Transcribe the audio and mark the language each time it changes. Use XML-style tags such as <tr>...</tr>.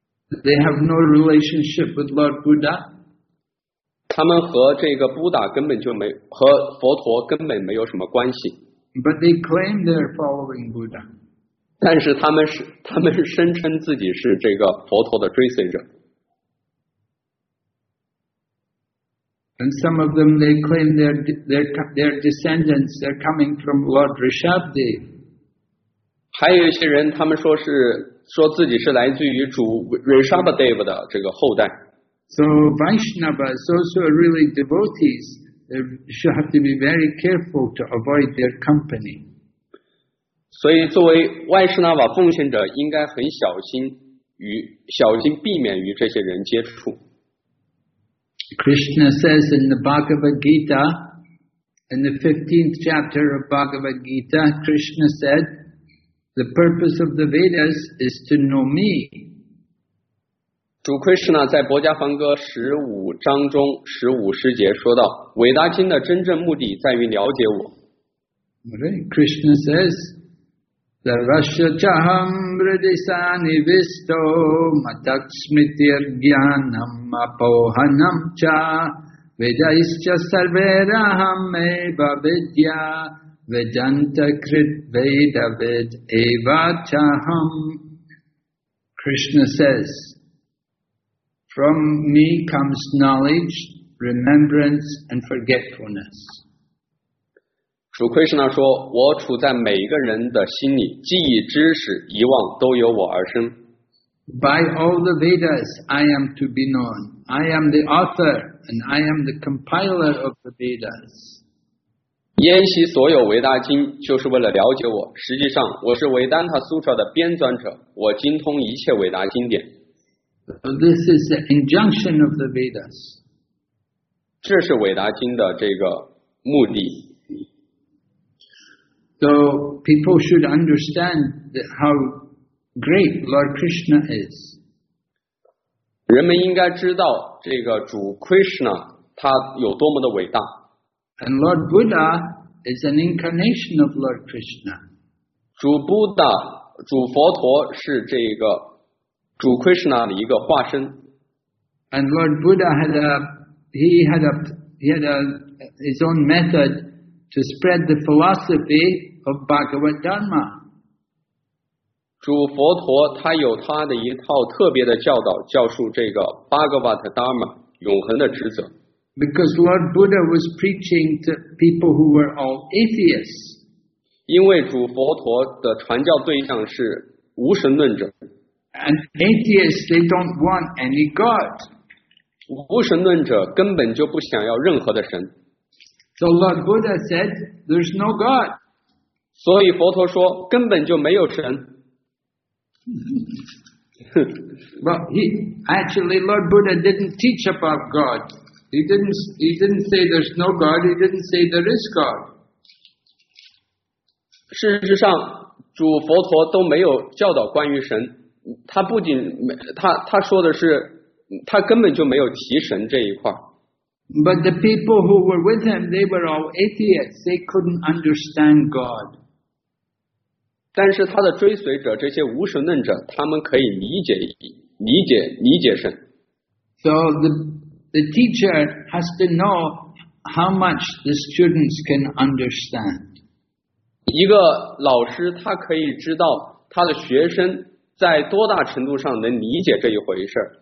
<en>They have no relationship with Lord Buddha.</en> <zh>他们和这个 Buddha 根本就没和佛陀根本没有什么关系。</zh> <en>But they claim they're following Buddha.</en> <zh>但是他们是声称自己是这个佛陀的追随者。</zh> <en>And some of them they claim their descendants are coming from Lord Rishabhdev.</en> <zh>还有一些人，他们说是。说自己是来自于主 Rishabhadev 的这个后代。</zh> <en>So Vaishnavas, those who are really devotees, they should have to be very careful to avoid their company.</en> <zh>所以作为 Vaishnava 奉献者应该很小心与小心避免与这些人接触。</zh> <en>Krishna says in the Bhagavad Gita, in the 15th chapter of Bhagavad Gita, Krishna said,The purpose of the Vedas is to know me.</en> <zh>主 Krishna 在薄伽梵歌十五章中十五十节说道，伟达经的真正目的在于了解我。</zh> <en>Right. Krishna says,</en> <sa>The rasya chaham bradisani visto matakshmitir jnanam apohanam cha vedaischa sarveraham eva vidya. Vedanta Krit Veda Ved Eva Chaham.</sa> <en>Krishna says, From me comes knowledge, remembrance, and forgetfulness.</en> <zh>主 Krishna 说，我处在每一个人的心里，记忆、知识、遗忘都由我而生。</zh> <en>By all the Vedas, I am to be known. I am the author, and I am the compiler of the Vedas.</en> <zh>研习所有维达经就是为了了解我，实际上我是维丹塔苏特的编纂者，我精通一切维达经典。</zh> <en>This is the injunction of the Vedas.</en> <zh>这是维达经的这个目的。</zh> <en>So people should understand how great Lord Krishna is.</en> <zh>人们应该知道这个主 Krishna 他有多么的伟大。</zh> <en>And Lord Buddha is an incarnation of Lord Krishna.</en> <zh>主 Buddha, 主佛陀是这个主 Krishna 的一个化身。</zh> <en>And Lord Buddha had a, he had his own method to spread the philosophy of Bhagavad Dharma.</en> <zh>主佛陀他有他的一套特别的教导，教授这个 Bhagavad Dharma 永恒的职责。</zh> <en>Because Lord Buddha was preaching to people who were all atheists.</en> <zh>因为主佛陀的传教对象是无神论者。</zh> <en>And atheists, they don't want any god.</en> <zh>无神论者根本就不想要任何的神。</zh> <en>So Lord Buddha said, there's no god.</en> <zh>所以佛陀说根本就没有神。</zh> <en>But he, actually Lord Buddha didn't teach about god. He didn't say there's no god. He didn't say there is god.</en> <zh>事实上主佛陀都没有教导关于神。他不仅他说的是他根本就没有提神这一块。</zh> <en>But the people who were with him, they were all atheists. They couldn't understand God.</en> <zh>但是他的追随者这些无神论者他们可以理解神。</zh> <en>So the teacher has to know how much the students can understand.</en> <zh>一个老师他可以知道他的学生在多大程度上能理解这一回事。</zh>